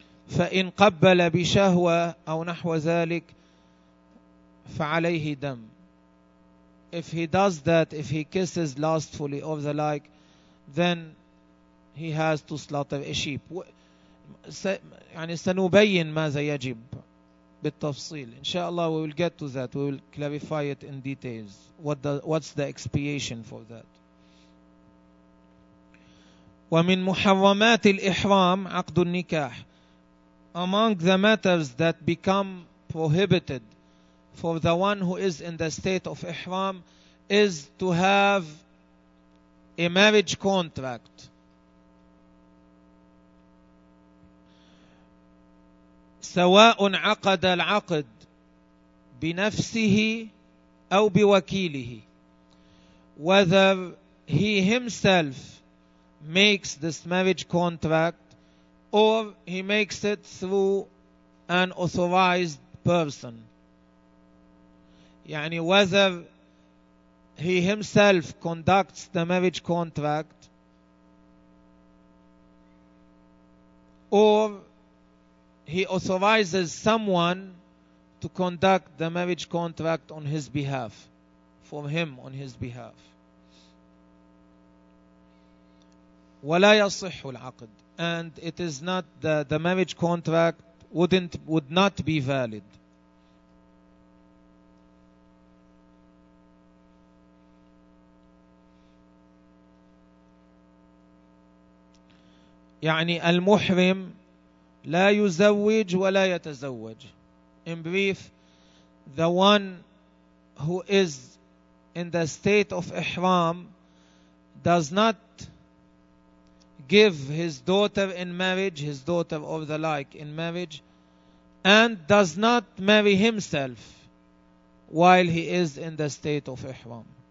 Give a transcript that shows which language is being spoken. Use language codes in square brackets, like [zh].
[ar] فَإِنْ قَبَّلَ بِشَهْوَةٍ أَوْ نَحْوَ ذَلِكَ فَعَلَيْهِ دَمٌ. [en] If he does that, if he kisses lustfully or the like, then he has to slaughter a sheep. [ar] يعني سنبين ماذا يجب بالتفصيل إن شاء الله. [en] We will get to that. We will clarify it in details. What's the expiation for that? [ar] ومن محرمات الإحرام عقد النكاح. [en] Among the matters that become prohibited for the one who is in the state of ihram is to have a marriage contract. [ar] سواء عقد العقد بنفسه أو بوكيله. [en] Whether he himself makes this marriage contract or he makes it through an authorized person. يعني whether he himself conducts the marriage contract or he authorizes someone to conduct the marriage contract on his behalf, for him, on his behalf. [ar] ولا يصح العقد. [en] and it is not the marriage contract would not be valid. [ar] يعني المحرم لا يزوج ولا يتزوج. [en] In brief, the one who is in the state of ihram does not give his daughter in marriage, his daughter or the like in marriage, and does not marry himself while he is in the state of ihram.